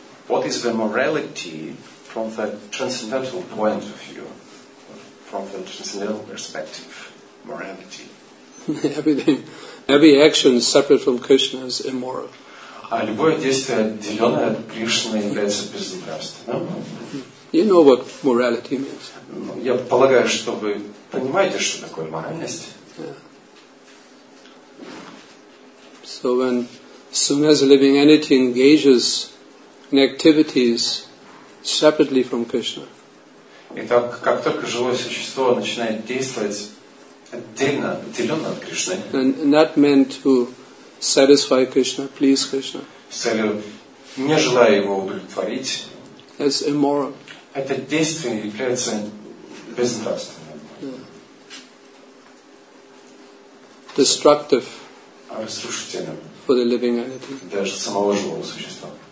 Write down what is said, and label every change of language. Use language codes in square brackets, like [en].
[en] What is the morality from the transcendental point of view, from the transcendental perspective, morality? Everything. Every action separate from Krishna is immoral. [ru] А любое действие, отделенное от Кришны, является безнравственным. [en] You know what morality means. [ru] Я полагаю, что вы понимаете, что такое моральность. [en] So when soon as a living entity engages in activities separately from Krishna. [ru] Итак, как только живое существо начинает действовать отдельно, отделенно от Кришны. [en] And not meant to satisfy Krishna, please Krishna. [ru] С целью, не желая его удовлетворить. [en] It's immoral. [ru] Это действие является безнравственным. [en] Destructive. [ru] Разрушительным. [en] For the living entity. [ru] Даже самого живого существа.